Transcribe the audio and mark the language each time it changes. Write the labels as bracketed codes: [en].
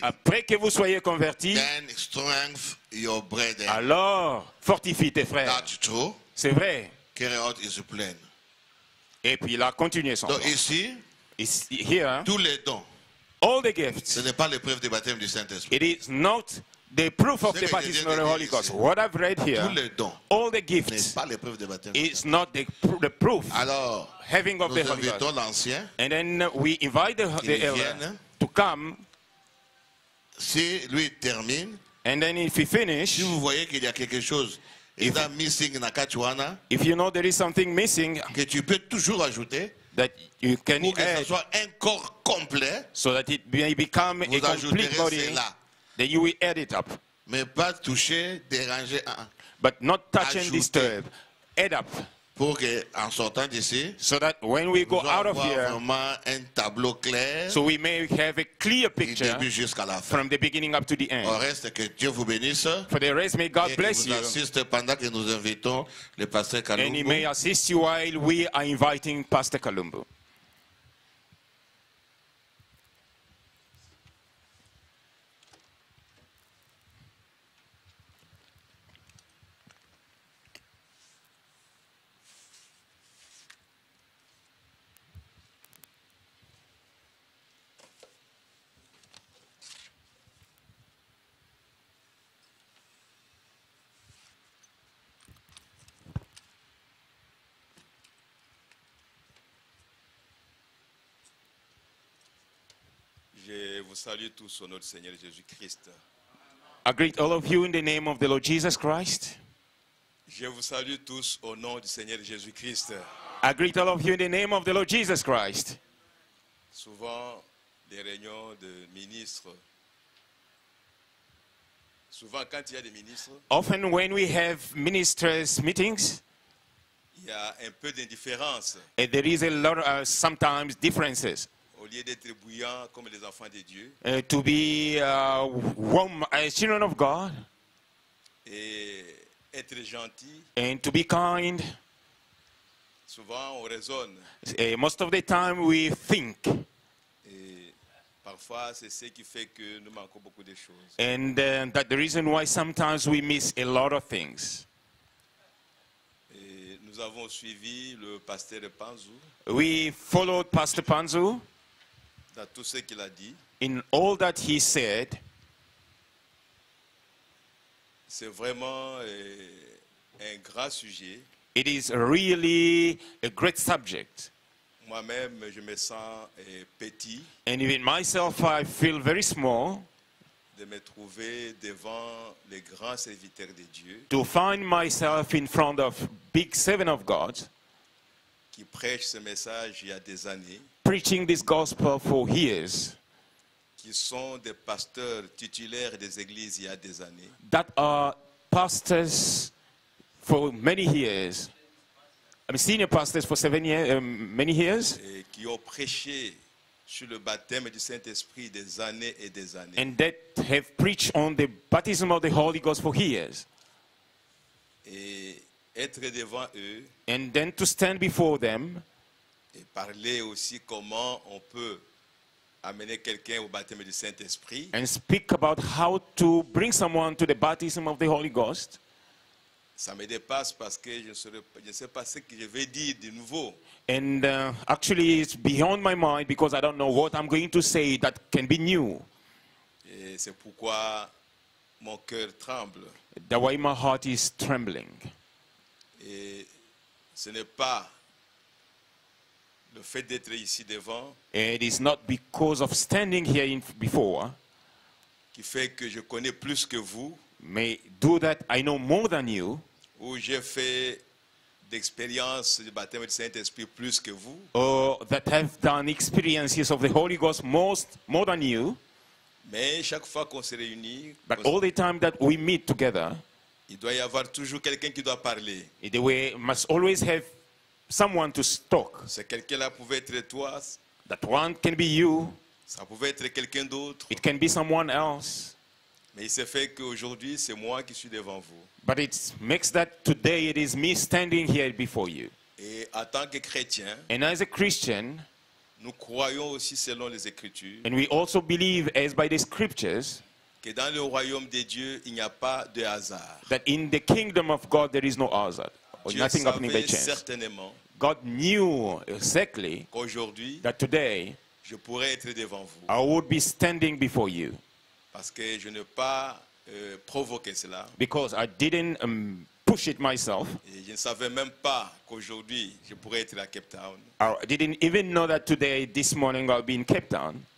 [fr] après que vous soyez converti, [en] then strength your brethren. [fr] Alors fortifie tes frères. [en] That's true. [fr] C'est vrai. [en] Carry out his plan. [fr] Et puis il a continué son [en] plan. So [fr] ici, [en] here, [fr] tous les dons, [en] all the gifts, [fr] ce n'est pas l'épreuve du baptême du Saint-Esprit. [en] It is not the proof of the baptism of the Holy Ghost. What I've read here, all the gifts, is not the proof [fr] alors, [en] having of the Holy Ghost. [fr] L'ancien, [en] and then we invite the elder to come. [fr] Si lui termine, [en] and then if he finish, [fr] si vous voyez qu'il y a quelque chose, [en] if, that missing in Akachuana, if you know there is something missing, [fr] que tu peux toujours ajouter, [en] that you can [fr] pour que ce soit un corps complet, [en] so that it may become [fr] vous [en] a complete body. [fr] Cela. [en] Then you will add it up. [fr] Mais pas toucher, déranger, [en] but not touch and disturb. Add up. [fr] Pour que, en sortant d'ici, [en] so that when we go out of here, [fr] vraiment un tableau clair, [en] so we may have a clear picture [fr] du début jusqu'à la fin. [en] From the beginning up to the end. [fr] Au reste, que Dieu vous bénisse. [en] For the rest, may God bless you. [fr] Et qu'il vous assiste pendant que nous invitons le pasteur Kalumbu. [en] And he may assist you while we are inviting Pastor Kalumbu. [fr] Salut tous au nom du Seigneur Jésus Christ. [en] I greet all of you in the name of the Lord Jesus Christ. [fr] Je vous salue tous au nom du Seigneur Jésus Christ. [en] I greet all of you in the name of the Lord Jesus Christ. [fr] Souvent, les réunions de ministres. Souvent, quand il y a des ministres. [en] Often, when we have ministers' meetings. [fr] Il y a un peu d'indifférence. [en] And there is a lot of sometimes differences. [fr] Au lieu d'être bouillant comme les enfants de Dieu. [en] To be warm as children of God. [fr] Et être gentil. [en] And to be kind. [fr] Souvent on raisonne. [en] And most of the time we think. [fr] Et parfois c'est ce qui fait que nous manquons beaucoup de choses. [en] And that the reason why sometimes we miss a lot of things. [fr] Et nous avons suivi le pasteur Panzu. [en] We followed Pastor Panzu. [fr] Dans tout ce qu'il a dit, [en] in all that he said, [fr] c'est vraiment un grand sujet. [en] It is really a great subject. [fr] Moi-même, je me sens petit. [en] And even myself, I feel very small. [fr] De me trouver devant les grands serviteurs de Dieu. [en] To find myself in front of big servants of God. [fr] Qui prêche ce message il y a des années. [en] Preaching this gospel for years, [fr] qui sont des pasteurs titulaires des églises il y a des années, [en] that are pastors for many years, I mean senior pastors for 7 years, many years, [fr] et qui ont prêché sur le baptême du Saint-Esprit des années et des années, [en] and that have preached on the baptism of the Holy Ghost for years, [fr] et être devant eux, [en] and then to stand before them. [fr] Et parler aussi comment on peut amener quelqu'un au baptême du Saint-Esprit. [en] And speak about how to bring someone to the baptism of the Holy Ghost. [fr] Ça me dépasse parce que je ne sais pas ce que je vais dire de nouveau. [en] And actually, it's beyond my mind because I don't know what I'm going to say that can be new. [fr] Et c'est pourquoi mon cœur tremble. [en] The way my heart is trembling. [fr] Et ce n'est pas le fait d'être ici devant. [en] It is not because of standing here before. [fr] Qui fait que je connais plus que vous. [en] May do that I know more than you. [fr] Où j'ai fait d'expériences du baptême du Saint-Esprit plus que vous. [en] Or that have done experiences of the Holy Ghost more than you. [fr] Mais chaque fois qu'on se réunit, [en] but all the time that we meet together, [fr] il doit y avoir toujours quelqu'un qui doit parler. [en] And we must always have someone to talk. [fr] Ce quelqu'un-là pouvait être toi. [en] That one can be you. [fr] Ça pouvait être quelqu'un d'autre. [en] It can be someone else. [fr] Mais il s'est fait qu'aujourd'hui, c'est moi qui suis devant vous. [en] But it makes that today it is me standing here before you. [fr] Et en tant que chrétien, [en] and as a Christian, [fr] nous croyons aussi selon les Écritures, [en] and we also believe as by the Scriptures, [fr] que dans le royaume de Dieu, il n'y a pas de hasard. [en] That in the kingdom of God, there is no hazard. Or [fr] Dieu [en] nothing happening by chance. [fr] Certainement [en] God knew exactly [fr] qu'aujourd'hui, [en] that today, [fr] je pourrais être devant vous. [en] I would be standing before you. [fr] Parce que je n'ai pas provoqué cela. [en] Because I didn't push it myself. [fr] Et je ne savais même pas qu'aujourd'hui je pourrais être à Cape Town. [en] I didn't even know that today, this morning, I'll be in Cape Town.